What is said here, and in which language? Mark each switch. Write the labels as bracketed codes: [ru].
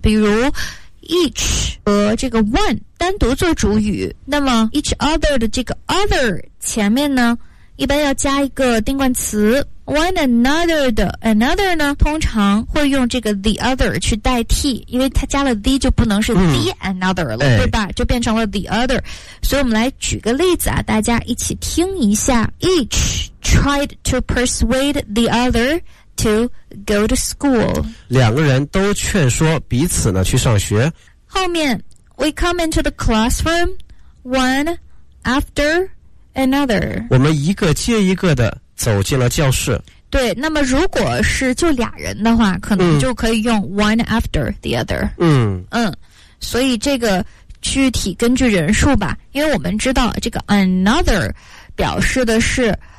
[zh] 比如Each 和这个 one 单独做主语，那么 each other 的这个 other 前面呢一般要加一个定冠词， one another 的 another 呢通常会用这个 the other 去代替，因为它加了 the 就不能是 the another 了、对吧，就变成了 the other。所以我们来举个例子啊，大家一起听一下。 [en] Each tried to persuade the otherTo go to school， [zh] 两个人都劝说彼此呢去上学。后面 [en] we come into the classroom one after another， [zh] 我们一个接一个的走进了教室。对，那么如果是就俩人的话，可能就可以用 [en] one after the other。 [zh] 所以这个具体根据人数吧，因为我们知道这个 another 表示的是。